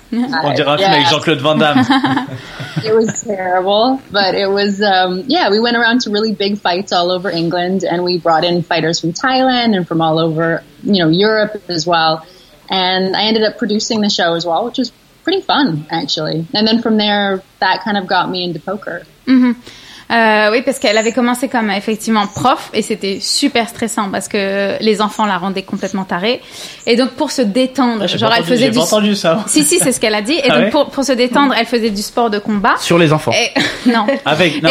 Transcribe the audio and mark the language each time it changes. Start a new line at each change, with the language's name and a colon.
French: On dirait un film avec Jean-Claude Van Damme.
English: It was terrible, but it was, we went around to really big fights all over England, and we brought in fighters from Thailand and from all over, you know, Europe as well. And I ended up producing the show as well, which was pretty fun, actually. And then from there, that kind of got me into poker. Mm-hmm.
French: Oui, parce qu'elle avait commencé comme effectivement prof et c'était super stressant parce que les enfants la rendaient complètement tarée. Et donc pour se détendre, Si, si, c'est ce qu'elle a dit. Et donc pour se détendre, elle faisait du sport de combat. Sur les enfants. Et... non. Avec. Non,